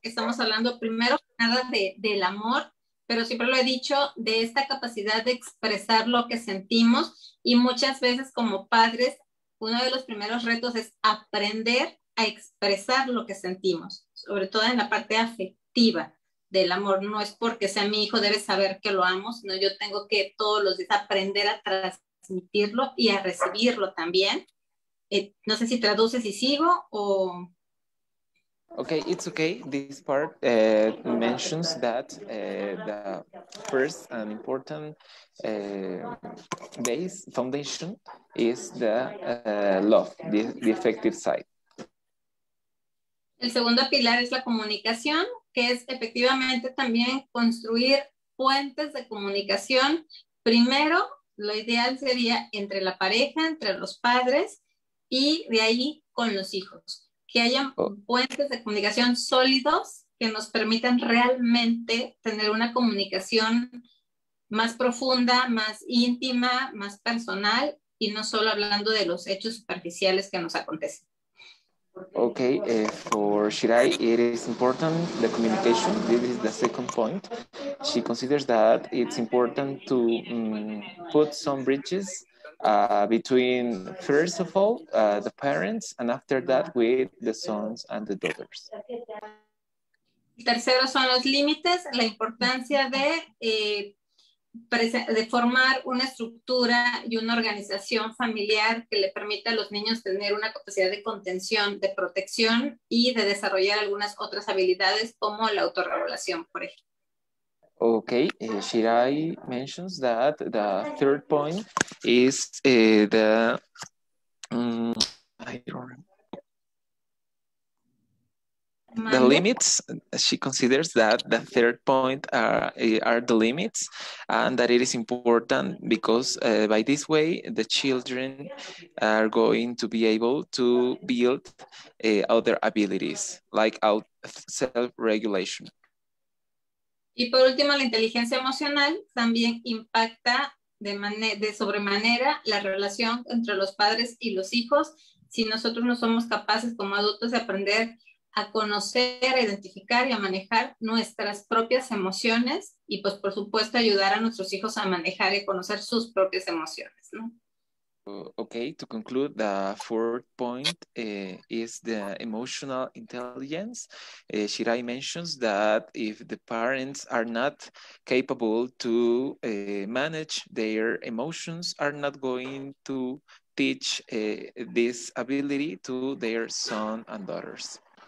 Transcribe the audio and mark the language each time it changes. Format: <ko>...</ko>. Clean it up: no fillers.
<es>Estamos hablando primero nada del amor, pero siempre lo he dicho, de esta capacidad de expresar lo que sentimos, y muchas veces como padres, uno de los primeros retos es aprender a expresar lo que sentimos, sobre todo en la parte afectiva del amor. No es porque sea mi hijo, debe saber que lo amo, sino yo tengo que todos los días aprender a transmitirlo y a recibirlo también. No sé si traduce si sigo o...</es> <en>Okay, it's okay. This part mentions that the first and important base foundation is the love, the effective side.</en> <es>El segundo pilar es la comunicación, que es efectivamente también construir puentes de comunicación. Primero, lo ideal sería entre la pareja, entre los padres, y de ahí con los hijos. Que hayan puentes de comunicación sólidos que nos permitan realmente tener una comunicación más profunda, más íntima, más personal, y no solo hablando de los hechos superficiales que nos acontecen.</es> <en>Okay, for Shirai, it is important, the communication. This is the second point. She considers that it's important to put some bridges between, first of all, the parents, and after that, with the sons and the daughters.</en> <es>Tercero son los límites, la importancia de, de formar una estructura y una organización familiar que le permita a los niños tener una capacidad de contención, de protección y de desarrollar algunas otras habilidades como la autorregulación, por ejemplo.</es> <en>Okay, Shirai mentions that the third point is the I don't remember. The limits. She considers that the third point are the limits, and that it is important because by this way the children are going to be able to build other abilities like self-regulation.</en> <es>Y por último, la inteligencia emocional también impacta de sobremanera la relación entre los padres y los hijos. Si nosotros no somos capaces como adultos de aprender a conocer, a identificar y a manejar nuestras propias emociones y pues por supuesto ayudar a nuestros hijos a manejar y conocer sus propias emociones, ¿no?</es> <en>Okay, to conclude, the fourth point is the emotional intelligence. Shirai mentions that if the parents are not capable to manage their emotions, are not going to teach this ability to their son and daughters.</en>